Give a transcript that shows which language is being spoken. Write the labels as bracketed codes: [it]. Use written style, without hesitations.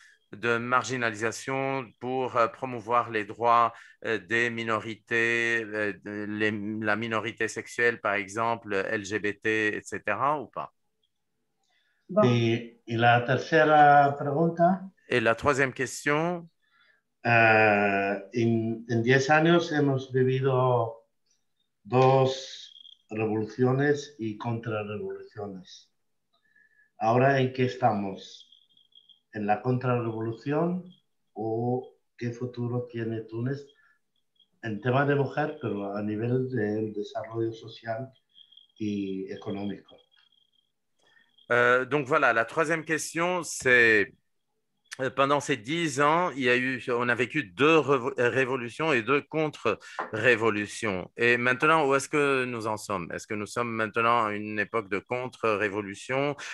[fr] de marginalisation pour promouvoir les droits des minorités, la minorité sexuelle, par exemple, LGBT, etc., ou pas? Bon. Et la [es] tercera pregunta? [fr] Et la troisième question? [es] En 10 años hemos vivido dos revoluciones y contrarrevoluciones. ¿Ahora en qué estamos? ¿En la contrarrevolución o qué futuro tiene Túnez en tema de mujer, pero a nivel del desarrollo social y económico? [fr] Donc voilà, la troisième question, c'est pendant ces 10 ans, il y a eu, on a vécu deux révolutions et deux contre-révolutions. Et maintenant, où est-ce que nous en sommes? Est-ce que nous sommes maintenant à une époque de contre-révolution?